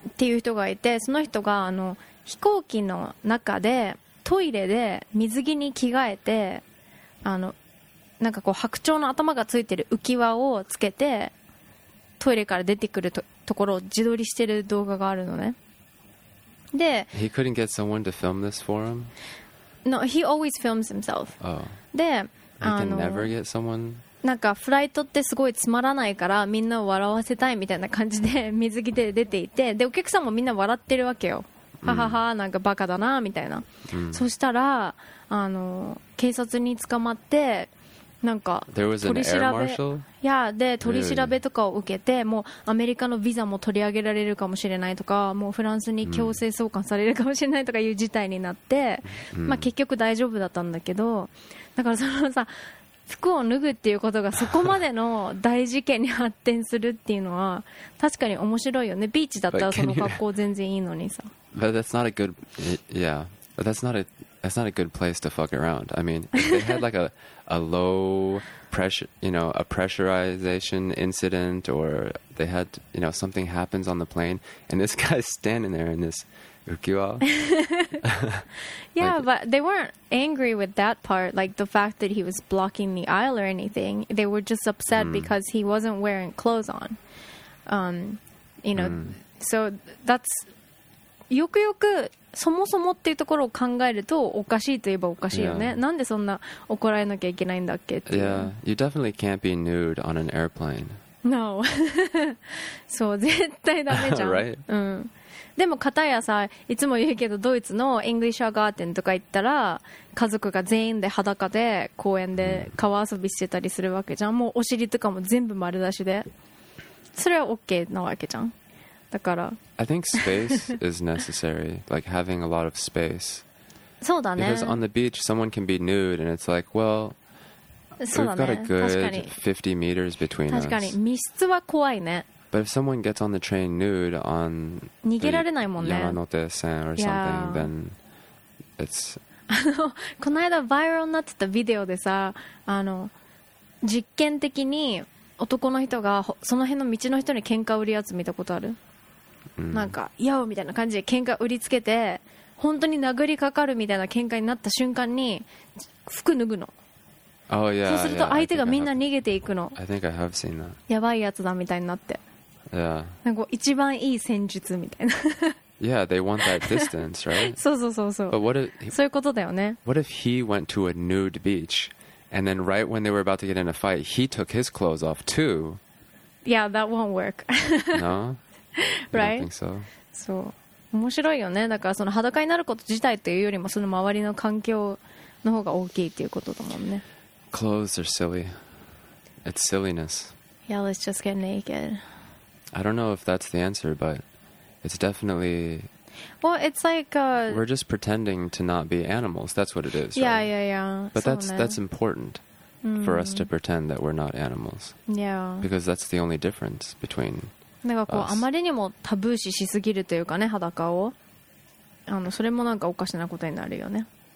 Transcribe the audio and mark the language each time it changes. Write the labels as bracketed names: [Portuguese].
[Japanese] っていう人がいて、その人が、あの、飛行機の中で、トイレで水着に着替えて、あの、なんかこう白鳥の頭がついてる浮き輪をつけてトイレから出てくる ところを自撮りしてる動画があるのね。で、 [English] He couldn't get someone to film this for him? No, he always films himself. Oh. [Japanese] で、 [English] He can never get someone? [Japanese] なんかフライトってすごいつまらないからみんなを笑わせたいみたいな感じで水着で出ていて、で、お客さんもみんな笑ってるわけよ。はははなんかバカだなみたいな。そしたら、警察に捕まって、なんか取り調べ、いやで取り調べとかを受けて、もうアメリカのビザも取り上げられるかもしれないとか、もうフランスに強制送還されるかもしれないとかいう事態になって、まあ結局大丈夫だったんだけど、だからそのさ服を脱ぐっていうことがそこまでの大事件に発展するっていうのは確かに面白いよね。ビーチだったらその格好全然いいのにさ。 [English] But that's not a good, yeah. But that's not a good place to fuck around. I mean, they had like a low pressure, you know, a pressurization incident, or they had, you know, something happens on the plane, and this guy's standing there in this ukiwa. Yeah, like, but they weren't angry with that part, like the fact that he was blocking the aisle or anything. They were just upset because he wasn't wearing clothes on. So that's... [Japanese] よくよくそもそもっていうところを考えるとおかしいといえばおかしいよね、 [English] yeah. [Japanese] なんでそんな怒られなきゃいけないんだっけっていう。 [English] Yeah, you definitely can't be nude on an airplane. [Japanese] No. そう絶対ダメじゃん。 [English] Right?、 [Japanese] うん、でも片やさいつも言うけどドイツのイングリッシュアガーデンとか行ったら家族が全員で裸で公園で川遊びしてたりするわけじゃん。もうお尻とかも全部丸出しでそれは OK なわけじゃん。だから [English] I think space is necessary, like having a lot of space. [Japanese] そうだね。 [English] Because on the beach, someone can be nude, and it's like, well, [Japanese] そうだね。 [English] We've got a good 50 meters between us. [Japanese] 確かに密室は怖いね。 [English] But if someone gets on the train nude on [Japanese] 逃げられないもんね。 [English] Yamanote線 or something, then it's [Japanese] この間バイラルになってたビデオでさ、実験的に男の人がその辺の道の人に喧嘩売るやつ見たことある？なんかヤオみたいな感じで喧嘩売りつけて本当に殴りかかるみたいな喧嘩になった瞬間に服脱ぐの。 [English] Oh, yeah, [Japanese] そうすると相手がみんな逃げていくの。 [English] I think I have seen that. [Japanese] やばいやつだみたいになって。 [English] Yeah. [Japanese] なんか一番いい戦術みたいな。 [English] Yeah, they want that distance, right? [Japanese] そうそうそうそう。 [English] But what if, [Japanese] そういうことだよね。 [English] What if he went to a nude beach and then right when they were about to get in a fight, he took his clothes off too? Yeah, that won't work. No? Right? I don't think so. [Japanese] そう。面白いよね。だからその裸になること自体というよりもその周りの環境の方が大きいっていうことだもんね。 [English] Clothes are silly. It's silliness. Yeah, let's just get naked. I don't know if that's the answer, but it's definitely... Well, it's like... We're just pretending to not be animals. That's what it is, yeah, right? Yeah, yeah, yeah. But that's important for us to pretend that we're not animals. Yeah. Because that's the only difference between [Japanese] なんかこう [English] us. [Japanese] あまりにもタブー視しすぎるというかね、裸を。それもなんかおかしなことになるよね。